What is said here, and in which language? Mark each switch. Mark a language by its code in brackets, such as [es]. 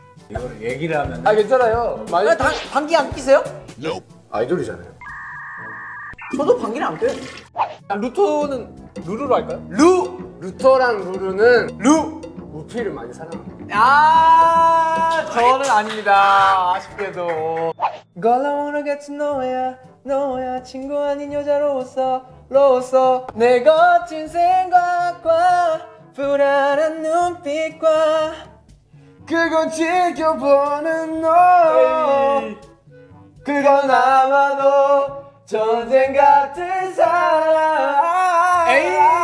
[ko] 이걸 얘기를 하면 아 괜찮아요. 많이 아니, 방귀 안 끼세요? No. 아이돌이잖아요. 저도 방귀를 안 껴요. 루토는 루루로 할까요? 루! 루토랑 루루는 루! 우피를 많이 사랑합니다. 아, 저는 아닙니다. 아쉽게도. [en] Girl, I wanna get to know ya, know ya. [ko] 친구 아닌 여자로서, 로서. 내 거친 생각과 불안한 눈빛과 그건 지켜보는 너. 그건 아마도 전쟁 같은 사랑. 에이.